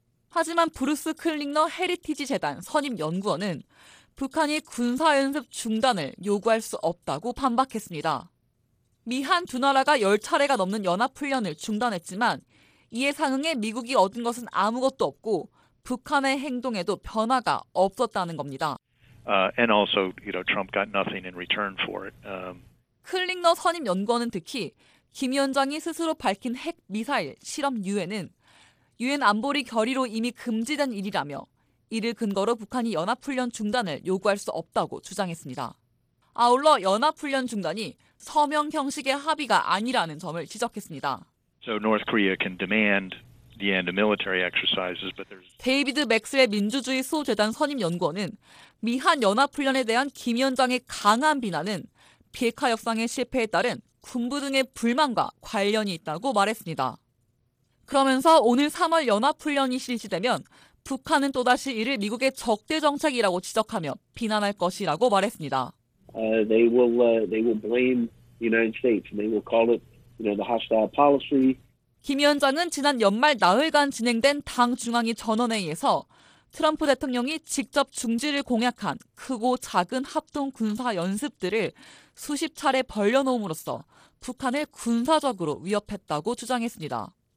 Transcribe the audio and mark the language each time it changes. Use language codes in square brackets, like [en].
[ko] 하지만 브루스 클링너 헤리티지 재단 선임 연구원은 북한이 군사연습 중단을 요구할 수 없다고 반박했습니다. 미한 두 나라가 10차례가 넘는 연합훈련을 중단했지만 이에 상응해 미국이 얻은 것은 아무것도 없고 북한의 행동에도 변화가 없었다는 겁니다. [en] And also, you know, Trump got nothing in return for it. [ko] 클링너 선임 연구원은 특히 김 위원장이 스스로 밝힌 핵미사일 실험 유예는 유엔 안보리 결의로 이미 금지된 일이라며 이를 근거로 북한이 연합훈련 중단을 요구할 수 없다고 주장했습니다. 아울러 연합훈련 중단이 서명 형식의 합의가 아니라는 점을 지적했습니다. [en] So North Korea can demand the end of military exercises, but there's [ko] 데이비드 맥스웰 민주주의 수호재단 선임 연구원은 미한 연합훈련에 대한 김 위원장의 강한 비난은 비핵화 협상의 실패에 따른 군부 등의 불만과 관련이 있다고 말했습니다. 그러면서 오늘 3월 연합훈련이 실시되면 북한은 또다시 이를 미국의 적대 정책이라고 지적하며 비난할 것이라고 말했습니다. [en] They will blame the United States. They will call it, you know, the hostile policy. [ko] 김 위원장은 지난 연말 나흘간 진행된 당 중앙위 전원회의에서 트럼프 대통령이 직접 중지를 공약한 크고 작은 합동 군사 연습들을 수십 차례 벌려놓음으로써 북한을 군사적으로 위협했다고 주장했습니다.